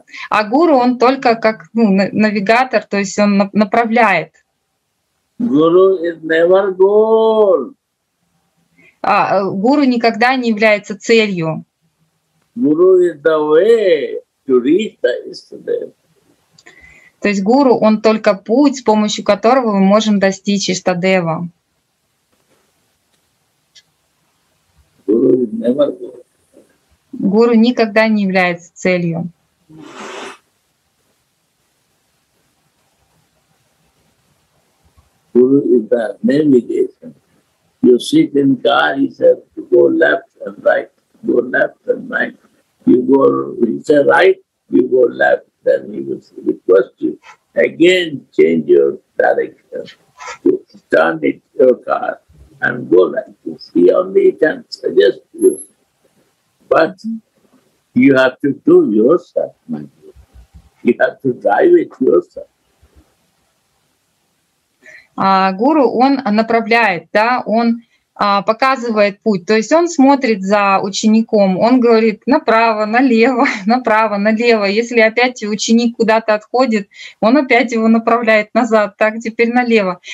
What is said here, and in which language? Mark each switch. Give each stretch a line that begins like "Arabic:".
Russian: А гуру, он только как навигатор, то есть он направляет.
English: Guru is never goal.
Russian: А гуру никогда не является целью.
English: Guru is the way to reach the yesterday.
Russian: То есть гуру, он только путь, с помощью которого мы можем достичь Иштадева.
English: Guru is never goal.
Russian: Гуру никогда не является целью.
English: Гуру is the navigation. You sit in car, he says, you go left and right, go left and right. You go, he says, right, you go left. Then he will request you, again, change your direction. You turn it, your car, and go like this. He only can suggest you. But you have to do yourself, my dear. You have to drive it yourself.
Russian: Гуру, он направляет, да, он показывает путь, то есть он смотрит за учеником, он говорит направо, налево, направо, налево. Если опять ученик куда-то отходит, он опять его направляет назад, так, теперь налево.